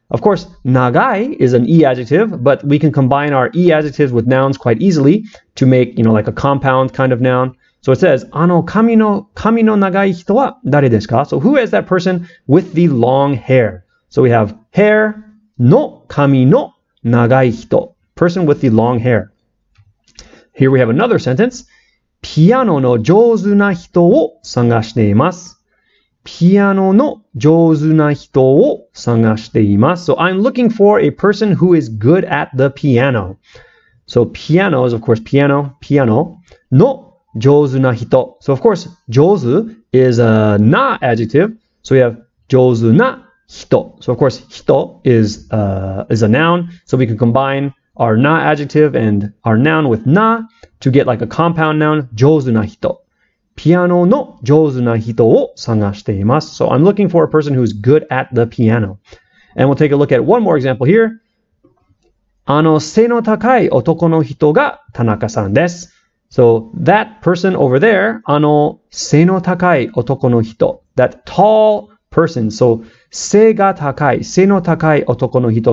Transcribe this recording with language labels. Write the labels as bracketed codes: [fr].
[en] Of course, 長い is an e adjective, but we can combine our e adjectives with nouns quite easily to make, you know, like a compound kind of noun. So it says, [ja] あの髪の長い人は誰ですか? [en] So who is that person with the long hair? So we have hair [ja] の髪の長い人, [en] person with the long hair. Here we have another sentence. [ja] ピアノの上手な人を探しています。ピアノの上手な人を探しています。 [en] So I'm looking for a person who is good at the piano. So piano is of course piano, piano [ja] の上手な人. [en] So of course 上手 is a な adjective. So we have [ja] 上手な人. [en] So of course 人 is a noun. So we can combine our な adjective and our noun with な to get like a compound noun [ja] 上手な人. ピアノの上手な人を探しています。 [en] So I'm looking for a person who's good at the piano. And we'll take a look at one more example here. [ja] あの背の高い男の人が田中さんです。 [en] So that person over there, [ja] あの背の高い男の人。 [en] That tall person. So [ja] 背が高い、背の高い男の人